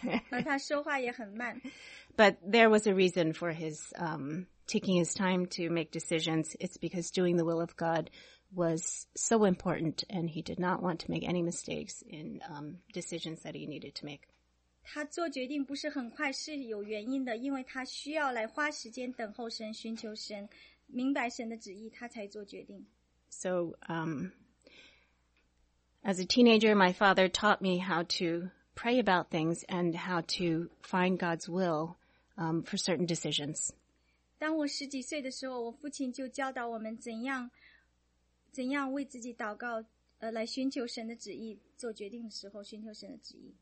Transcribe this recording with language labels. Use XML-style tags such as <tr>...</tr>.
<en>But there was a reason for his taking his time to make decisions. It's because doing the will of God was so important, and he did not want to make any mistakes in decisions that he needed to make.</en> <zh>他做决定不是很快是有原因的, 因为他需要来花时间等候神, 寻求神, 明白神的旨意, 他才做决定。</zh> <en>So, as a teenager, my father taught me how to pray about things and how to find God's will for certain decisions.</en> <zh>当我十几岁的时候, 我父亲就教导我们怎样为自己祷告, 来寻求神的旨意, 做决定的时候, 寻求神的旨意。</zh>